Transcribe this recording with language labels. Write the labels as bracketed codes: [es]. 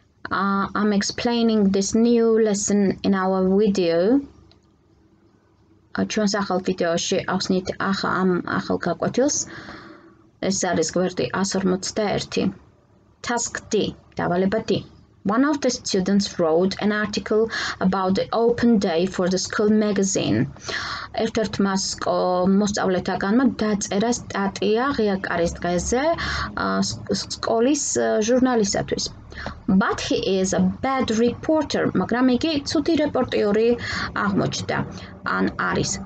[en] I'm explaining this new lesson in our video. [ka] ჩვენს ახალ ვიდეოში ახსნით ახალ გაკვეთილს. ეს არის გვერდი 141. [en] Task D. [ka] დავალება D. [en] One of the students wrote an article about the open day for the school magazine. [ka] ერთ-ერთმა მოსწავლეთაგანმა დაწერა სტატია ღია კარის დღეზე სკოლის ჟურნალისტისათვის. [en] But he is a bad reporter. [ka] მაგრამ იგი ცუდი რეპორტიორი აღმოჩნდა. [en] An [ka] არის.